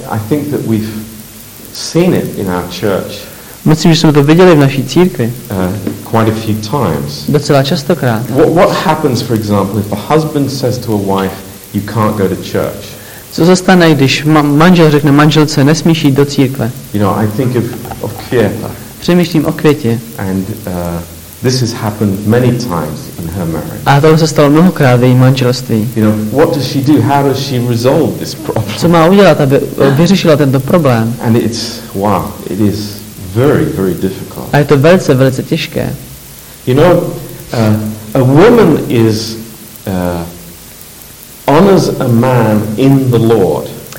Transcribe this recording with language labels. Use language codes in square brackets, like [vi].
[en] I think that we've seen it in our church. [cs] Myslím, že jsme to viděli v naší církvi. [en] Quite a few times. [cs] Docela častokrát. [en] What happens, for example, if a husband says to a wife, you can't go to church? [cs] Co se stane, když manžel řekne manželce, nesmíš jít do církve? [en] You know, I think of Květa. [cs] Přemýšlím o Květě. [en] And this has happened many times in her marriage. [cs] A to se stalo mnohokrát v její manželství. [en] You know, what does she do? How does she resolve this problem? [cs] Co má udělat, aby vyřešila tento problém? [en] And it's wow, it is very, very difficult. [cs] A je to velice, velice těžké. [en] You know, a woman is honors a man in the Lord.